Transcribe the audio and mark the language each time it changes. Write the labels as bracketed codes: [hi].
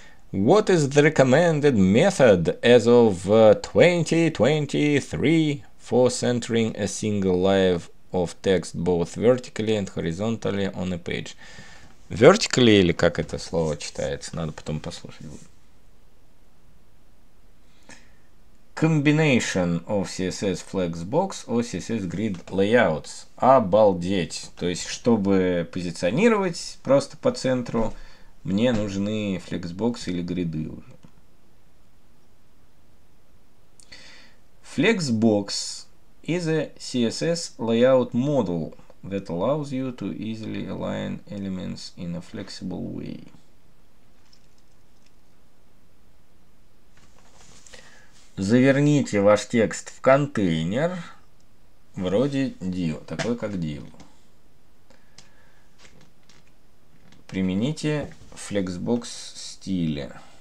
[en] What is the recommended method as of 2023 for centering a single line of text both vertically and horizontally on a page? [ru] Vertically, или как это слово читается? Надо потом послушать. [en] Combination of CSS Flexbox or CSS Grid Layouts. [ru] Обалдеть! То есть, чтобы позиционировать просто по центру, мне нужны Flexbox или гриды уже. [en] Flexbox is a CSS layout model that allows you to easily align elements in a flexible way. [ru] Заверните ваш текст в контейнер, вроде div, такой как div. Примените Flexbox стиле.